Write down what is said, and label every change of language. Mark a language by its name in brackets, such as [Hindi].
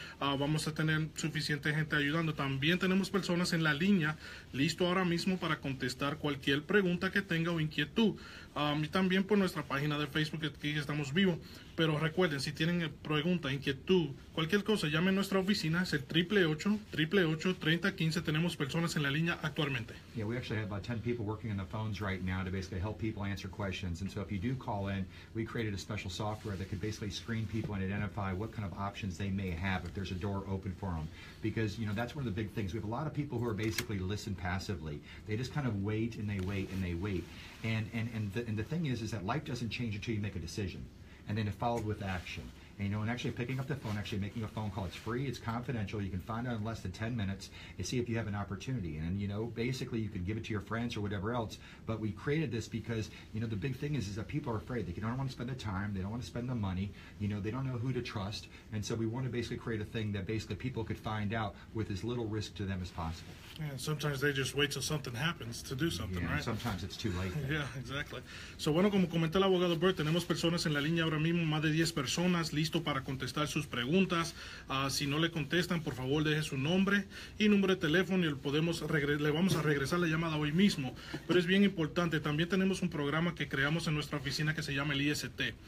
[Spanish] Vamos a tener suficiente gente ayudando. También tenemos personas en la línea listo ahora mismo para contestar cualquier pregunta que tenga o inquietud. Y también por nuestra página de Facebook, aquí estamos vivos. Pero recuerden, si tienen pregunta, inquietud, cualquier cosa, llamen a nuestra oficina, es el 888-888-3015. Tenemos personas en la línea actualmente. [English] Yeah, we actually have about 10 people working on the phones right now to basically help people answer questions. And so if you do call in, we created a special software that could basically screen people and identify what kind of options they may have if there's a door open for them. Because, you know, that's one of the big things. We have a lot of people who are basically listen passively. They just kind of wait and they wait and they wait. And the thing is that life doesn't change until you make a decision. And then it followed with action. And, you know, and actually picking up the phone, actually making a phone call, it's free, it's confidential. You can find out in less than 10 minutes and see if you have an opportunity. And, you know, basically you can give it to your friends or whatever else. But we created this because, you know, the big thing is that people are afraid. They don't want to spend the time. They don't want to spend the money. You know, they don't know who to trust. And so we want to basically create a thing that basically people could find out with as little risk to them as possible. Yeah, and sometimes they just wait till something happens to do something, yeah, right? Sometimes it's too late. Yeah, exactly. [Spanish] So, bueno, como comentó el abogado Bert, tenemos personas en la línea ahora mismo, más de 10 personas listo para contestar sus preguntas. Si no le contestan, por favor, deje su nombre y número de teléfono y le vamos a regresar la llamada hoy mismo. Pero es bien importante. También tenemos un programa que creamos en nuestra oficina que se llama el IST.